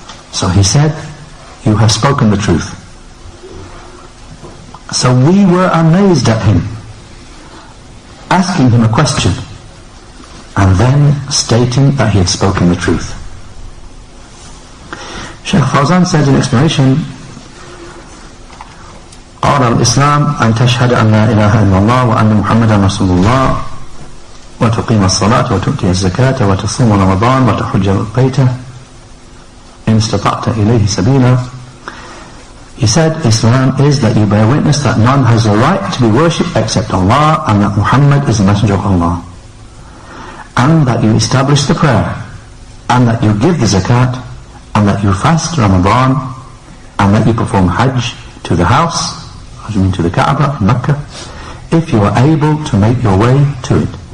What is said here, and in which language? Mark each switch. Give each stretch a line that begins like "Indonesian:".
English: So he said, you have spoken the truth. So we were amazed at him, asking him a question, and then stating that he had spoken the truth. Shaykh Farzan said in explanation,
Arabic: قال الإسلام أن تشهد أن لا إله إلا الله وأن محمدا رسول الله وتقيم الصلاة وتؤتي الزكاة وتصوم رمضان وتحج البيت إن استطعت إليه سبيلا.
English: He said, Islam is that you bear witness that none has a right to be worshipped except Allah, and that Muhammad is the Messenger of Allah, and that you establish the prayer, and that you give the zakat, and that you fast Ramadan, and that you perform Hajj to the house, as you mean to the Kaaba in Mecca, if you are able to make your way to it.